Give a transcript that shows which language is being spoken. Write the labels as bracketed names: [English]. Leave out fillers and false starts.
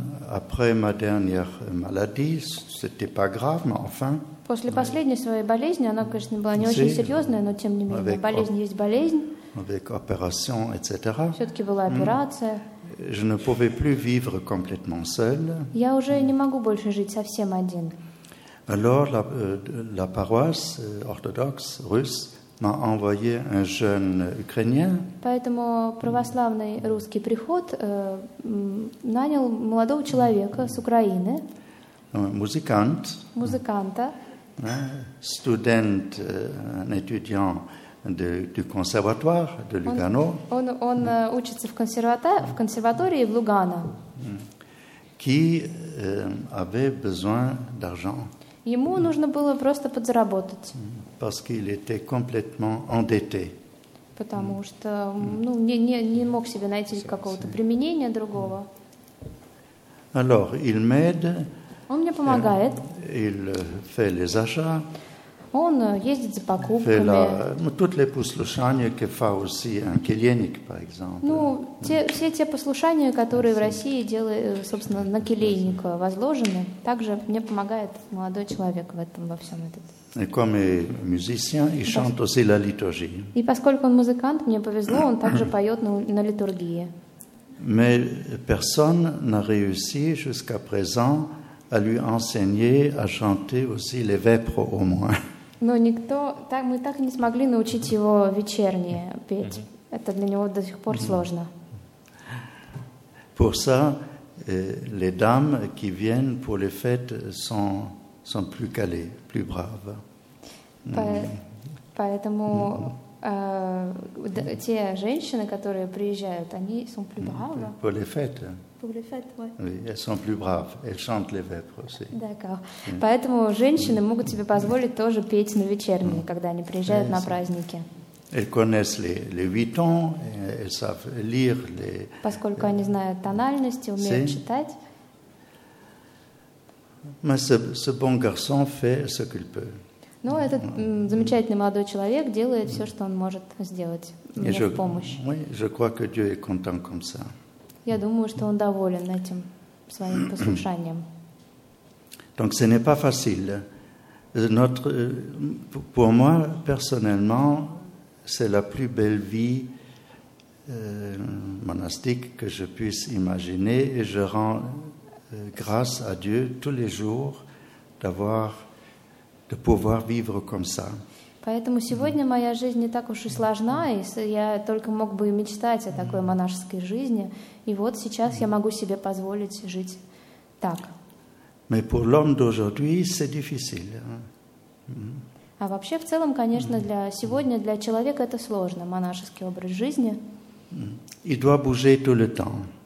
[French] Après ma dernière maladie, c'était pas grave, mais enfin. [Russian] После последней своей болезни, она, конечно, была не очень серьезная, но тем не менее, болезнь есть болезнь. [French] Avec opération, etc. [Russian] Все-таки была операция. [French] Je ne pouvais plus vivre complètement seul. [Russian] Я уже не могу больше жить совсем один. [French] Alors la paroisse orthodoxe russe m'a envoyé un jeune ukrainien. [Russian] Поэтому православный русский приход нанял молодого человека с Украины. музыкант, музыканта, студент, [French] étudiant du conservatoire de Lugano. [Russian] Он учится в консерватории в Лугано. [French] Qui avait besoin d'argent. [Russian] Ему нужно было просто подзаработать. [French] Parce qu'il était complètement endetté. [Russian] Потому что не мог себе найти какого-то применения другого. [French] Alors, il m'aide. [Russian] Он мне помогает. [French] Il fait les achats. [Russian] Он ездит за покупками. [French] Toutes les послушания que fait aussi un келейник, par exemple. [Russian] Все те послушания, которые в России делают, собственно, на келейника возложены, также мне помогает молодой человек в этом во всем этом. [French] Et comme musicien, il chante aussi la liturgie. [Russian] И поскольку он музыкант, мне повезло, он также поет на литургии. [French] Mais personne n'a réussi jusqu'à présent à lui enseigner à chanter aussi les vêpres au moins. [Russian] Но никто, так мы так и не смогли научить его вечернее петь. Mm-hmm. Это для него до сих пор mm-hmm. сложно. [French] Pour ça, les dames qui viennent pour les fêtes sont plus calées, plus braves. [Russian] Поэтому те женщины, которые приезжают, они [French] sont plus braves. Pour les fêtes. Pour les fêtes, ouais. Oui, elles sont plus braves. Elles chantent les vêpres aussi. D'accord. Mm. [Russian] Поэтому женщины могут себе позволить тоже петь на вечерние, когда они приезжают на праздники. [French] Elles connaissent les huit tons, elles savent lire les. [Russian] Поскольку они знают тональности, умеют читать. [French] Mais ce bon garçon fait ce qu'il peut. [Russian] Но этот замечательный молодой человек делает все, что он может сделать мне в помощь. [French] Oui, je crois que Dieu est content comme ça. [Russian] Я думаю, что он доволен этим своим послушанием. [French] Donc ce n'est pas facile. Notre, pour moi personnellement, c'est la plus belle vie monastique que je puisse imaginer, et je rends grâce à Dieu tous les jours de pouvoir vivre comme ça. [Russian] Поэтому сегодня моя жизнь не так уж и сложна, и я только мог бы мечтать о такой монашеской жизни, и вот сейчас я могу себе позволить жить так. [French] Mais pour l'homme d'aujourd'hui, c'est difficile. [Russian] А вообще, в целом, конечно, для сегодня, для человека это сложно, монашеский образ жизни. [French] Il doit bouger tout le temps.